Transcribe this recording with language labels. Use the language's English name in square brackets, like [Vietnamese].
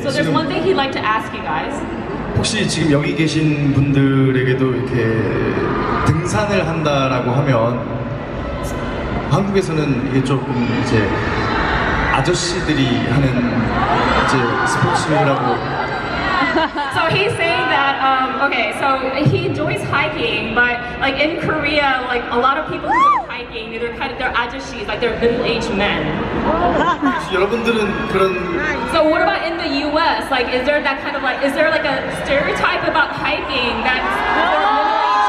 [English] So there's one thing he'd like to ask you guys. [Korean] 혹시 지금 여기 계신 분들에게도 이렇게 등산을 한다라고 하면 한국에서는 이게 조금 이제 아저씨들이 하는 이제 스포츠라고 [English] So he's saying that okay so he enjoys hiking but like in Korea like a lot of people who go hiking they're kind of they're 아저씨s like they're middle-aged men [Korean] 여러분들은 그런 [English] So what about in the US like is there that kind of like is there like a stereotype about hiking that